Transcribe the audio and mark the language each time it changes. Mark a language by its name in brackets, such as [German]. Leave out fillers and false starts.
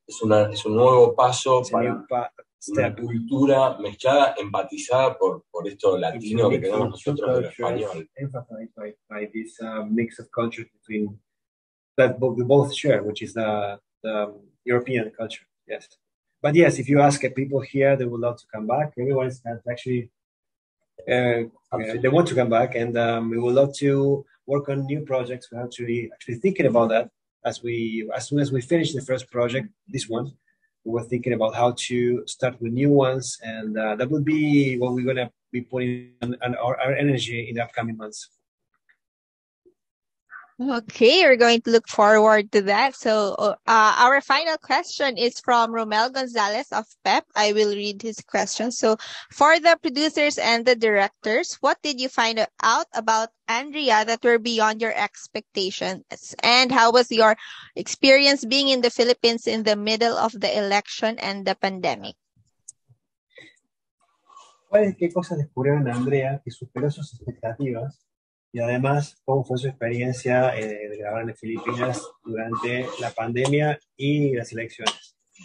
[Spanish] Es un nuevo paso para una cultura mezclada, empatizada por esto latino que tenemos nosotros del español. [English] Emphasized by this mix of cultures between that we both share, which is the European culture. Yes, but yes, if you ask people here, they would love to come back. Everyone's actually they want to come back, and we would love to work on new projects. We're actually thinking about that. As soon as we finish the first project, this one, we were thinking about how to start with new ones, and that would be what we're going to be putting on our energy in the upcoming months. Okay, we're going to look forward to that. So our final question is from Romel Gonzalez of PEP. I will read his question. So for the producers and the directors, what did you find out about Andrea that were beyond your expectations? And how was your experience being in the Philippines in the middle of the election and the pandemic? [Spanish] ¿Qué cosas descubrieron Andrea que superó sus expectativas? Y además, ¿cómo fue su experiencia de grabar en Filipinas durante la pandemia y las elecciones?